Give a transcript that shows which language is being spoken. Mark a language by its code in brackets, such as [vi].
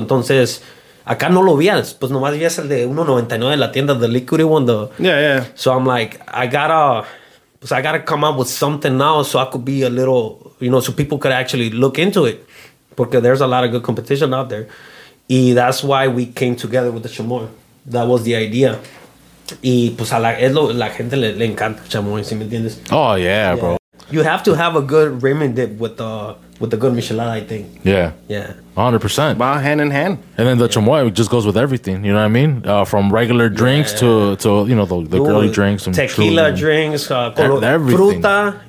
[es] Entonces acá no lo vías, pues nomás vías el de 1.99 de la tienda, [en] the liquidy one, the So I'm like, I gotta come up with something now so I could be a little, you know, so people could actually look into it, porque there's a lot of good competition out there. Y that's why we came together with the Chamoy. That was the idea. [es] Y pues a la, es lo, la gente le, le encanta Chamoy, ¿sí me entiendes? [en] Oh, yeah, yeah, bro. You have to have a good ramen dip with a good Michelada, I think. Yeah. Yeah. 100%. Wow, hand in hand. And then the Chamoy just goes with everything, you know what I mean? From regular drinks to you know, the girly drinks. And tequila drinks. Fruta.